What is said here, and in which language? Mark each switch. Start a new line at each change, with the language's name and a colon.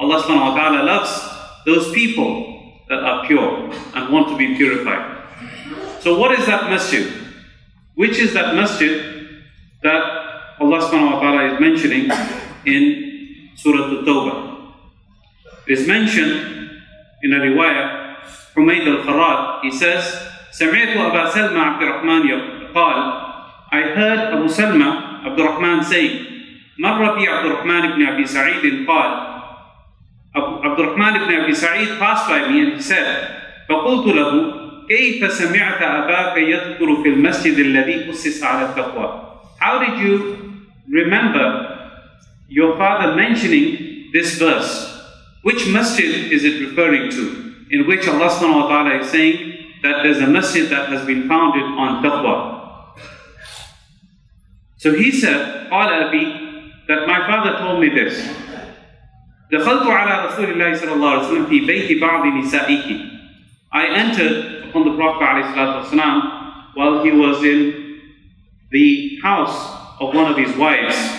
English: Allah subhanahu wa ta'ala loves those people that are pure and want to be purified. So what is that masjid? Which is that masjid that Allah subhanahu wa ta'ala is mentioning in Surah At-Tawbah? It is mentioned in a riwayah, Humayd al-Farad, he says,
Arabic: سَمِعْتُ أَبَا سَلْمَ عَبْدِ الرَّحْمَنِ قَالْ
English: I heard Abu Salma Abdul Rahman saying,
Arabic: مَرَّ بِي عَبْدُ الرَّحْمَنِ بْنِ أَبِي سَعِيدٍ قَالْ عَبْدُ الرَّحْمَنِ بْنِ أَبِي سَعِيدٍ
English: passed by me and he said,
Arabic: فَقُلْتُ لَهُ كَيْفَ سَمِعْتَ أَبَاكَ يَذْكُرُ فِي الْمَسْجِدِ الَّذِي أُسِّسَ عَلَى التَّقْوَى
English: How did you remember your father mentioning this verse? Which masjid is it referring to? In which Allah subhanahu wa ta'ala is saying that there's a masjid that has been founded on taqwa. So he said,
Arabic: قال أبي,
English: that my father told me this.
Arabic: دَخَلْتُ عَلَىٰ رَسُولِ اللَّهِ صَلَى اللَّهُ عَلَىٰ وَسَلَمْ فِي بَيْتِ بَعْضِ نِسَائِهِ
English: I entered upon the Prophet ﷺ while he was in the house of one of his wives.